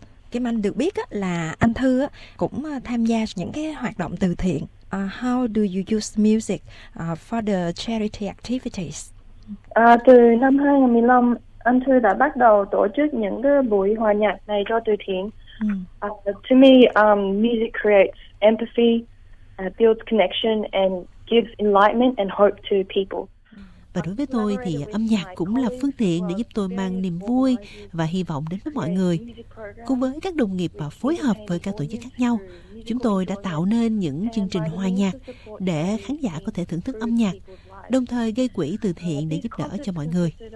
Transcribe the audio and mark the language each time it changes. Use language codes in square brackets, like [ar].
[vi] Kim Anh được biết là anh Thư cũng tham gia những cái hoạt động từ thiện. [en] How do you use music for the charity activities? [vi] Từ năm 2015, anh Thư đã bắt đầu tổ chức những cái buổi hòa nhạc này cho từ thiện. [en] To me, music creates empathy, builds connection and gives enlightenment and hope to people. [vi] Và đối với tôi thì âm nhạc cũng là phương tiện để giúp tôi mang niềm vui và hy vọng đến với mọi người. Cùng với các đồng nghiệp và phối hợp với các tổ chức khác nhau, chúng tôi đã tạo nên những chương trình hòa nhạc để khán giả có thể thưởng thức âm nhạc, đồng thời gây quỹ từ thiện để giúp đỡ cho mọi người.